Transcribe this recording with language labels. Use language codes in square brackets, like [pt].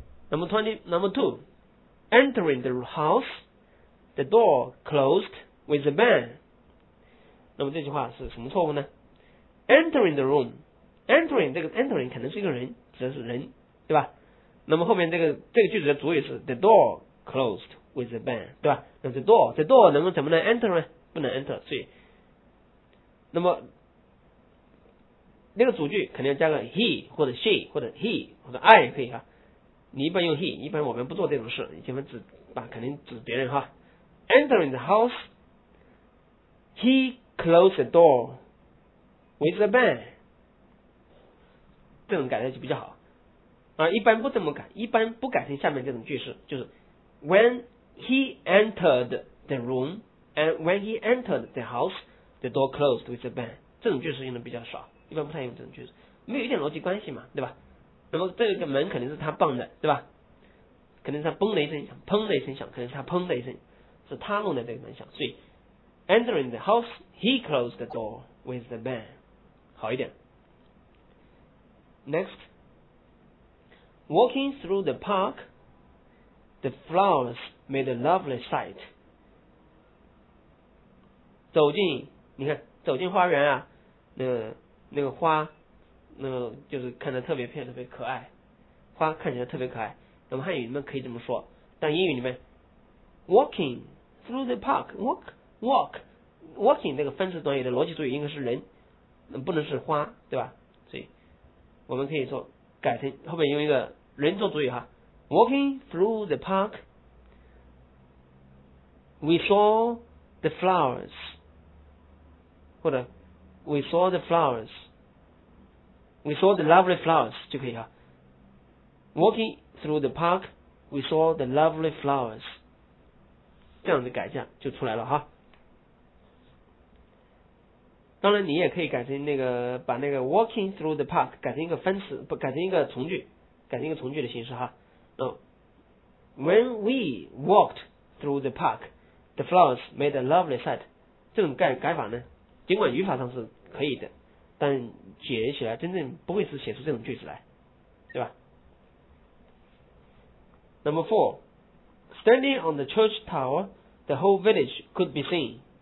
[en] Number two, entering the house, the door closed with a bang. [zh] 那么这句话是什么错误呢？ [en] entering the room, entering [zh] 这个 entering 可能是一个人，指的是人，对吧？那么后面这个句子的主语是 [en] the door closed with a bang, [zh] 对吧？那 the door 能够怎么能 enter 呢？不能 enter, 所以那么那个主句肯定要加个 he 或者 she 或者 he 或者 I 可以哈。你一般用 he, 一般我们不做这种事，你前面指把肯定指别人哈。 [en] Entering the house, he closed the door with a bang, 这种改的就比较好啊。 [zh] 一般不这么改，一般不改成下面这种句式，就是 [en] When he entered the room and when he entered the house, the door closed with a bang. [zh] 这种句式用的比较少，一般不太用这种句式，没有一点逻辑关系嘛，对吧？那么这个门肯定是他蹦的，对吧？肯定是他嘣的一声响，砰的一声响，可能是他砰的一声，是他弄的这个门响。 [en] 所以 entering the house, he closed the door with a bang. [zh] 好一点。 [en] Next, walking through the park. The flowers made a lovely sight. [zh] 走进，你看，走进花园啊，那个花，那个就是看得特别漂亮，特别可爱，花看起来特别可爱。那么汉语里面可以这么说，但英语里面 ， [en] walking through the park, walking [zh] 这个分词短语的逻辑主语应该是人，不能是花，对吧？所以我们可以说改成后面用一个人做主语哈。 [en] Walking through the park, we saw the flowers. [zh] 或者 [en] we saw the flowers. We saw the lovely flowers 就可以了。 Walking through the park, we saw the lovely flowers. [zh] 这样的改一下就出来了哈。当然，你也可以改成那个把那个 [en] walking through the park [zh] 改成一个分词，不改成一个从句，改成一个从句的形式哈。 [en] When we walked through the park, the flowers made a lovely sight. [zh] 这种改法呢，尽管语法上是可以的，但写起来真正不会是写出这种句子来，对吧？ [en] Number four, standing on the church tower, the whole village could be seen.